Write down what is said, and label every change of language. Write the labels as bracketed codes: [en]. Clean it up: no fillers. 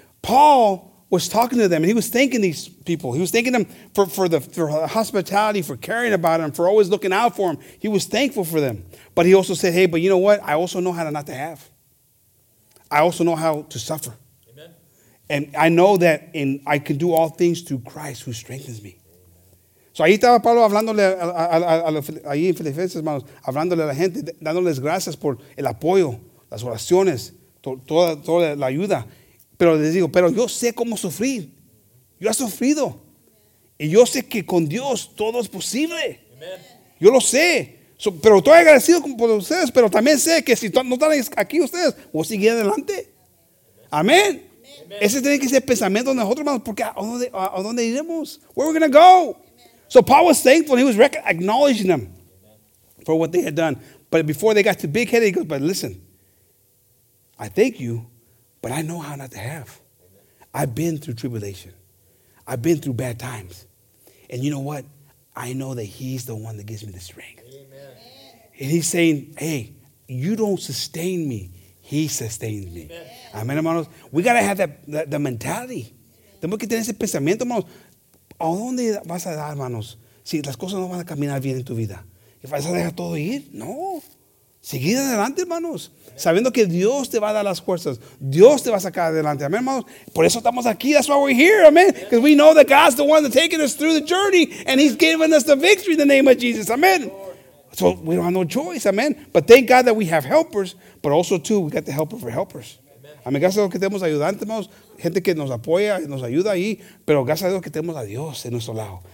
[en] Paul was talking to them and he was thanking these people. He was thanking them for the hospitality, for caring about them, for always looking out for them. He was thankful for them. But he also said, hey, but you know what? I also know how to not to have. I also know how to suffer. Amen. And I know that in I can do all things through Christ who strengthens me. [es] So ahí estaba Pablo hablándole ahí en Filipenses, hermanos, hablándole a la gente, dándoles gracias por el apoyo, las oraciones, toda la ayuda. Pero les digo, pero yo sé cómo sufrir. Yo he sufrido. Y yo sé que con Dios todo es posible. Amen. Yo lo sé. So, pero estoy agradecido por ustedes, pero también sé que si no están aquí ustedes, voy a seguir adelante. Amén. Ese tiene que ser el pensamiento de nosotros, hermanos, porque ¿a dónde iremos? [en] Where are we going to go? So Paul was thankful. He was acknowledging them for what they had done. But before they got too big-headed, he goes, but listen, I thank you, but I know how not to have. I've been through tribulation. I've been through bad times. And you know what? I know that he's the one that gives me the strength. Amen. And he's saying, hey, you don't sustain me. He sustains me. Amen, [es] hermanos. [en] We got to have that mentality. [es] Tenemos que tener ese pensamiento, hermanos. ¿A dónde vas a dar, hermanos? Si las cosas no van a caminar bien en tu vida. ¿Vas a dejar todo ir? No. Seguir adelante, hermanos. Sabiendo que Dios te va a dar las fuerzas. Dios te va a sacar adelante. Amén, hermanos. Por eso estamos aquí. [en] That's why we're here. [es] Amen. [en] Because we know that God's the one that's taking us through the journey. And he's giving us the victory in the name of Jesus. Amen. So we don't have no choice. Amen. But thank God that we have helpers. But also, too, we got the helper for helpers. [es] Amén. Gracias a los que tenemos ayudantes, hermanos. Gente que nos apoya, nos ayuda ahí, pero gracias a Dios que tenemos a Dios en nuestro lado.